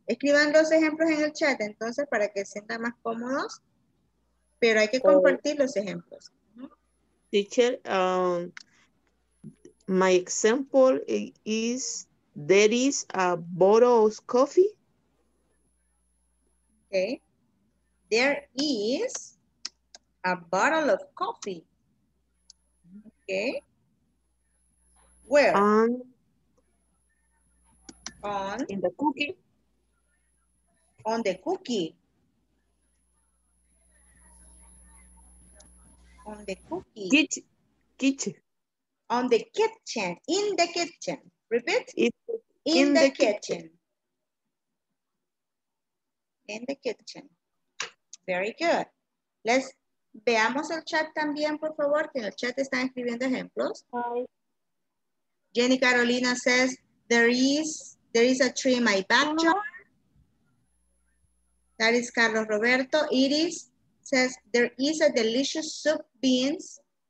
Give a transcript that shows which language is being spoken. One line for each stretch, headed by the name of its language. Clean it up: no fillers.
Spanish: Escriban los ejemplos en el chat, entonces, para que se sientan más cómodos. Pero hay que compartir los ejemplos.
English: Teacher, my example is, there is a bottle of coffee. Okay. There is a bottle of coffee. Okay. Where? On? In the cookie. On the cookie. On the cookie. Kitchen. On the kitchen. In the kitchen. Repeat. In the kitchen. In the kitchen. Very good. Let's
Spanish: veamos el chat también, por favor, que en el chat están escribiendo ejemplos.
English: Hi. Jenny Carolina says, there is a tree in my backyard. That is Carlos Roberto. Iris says, there is a delicious soup beans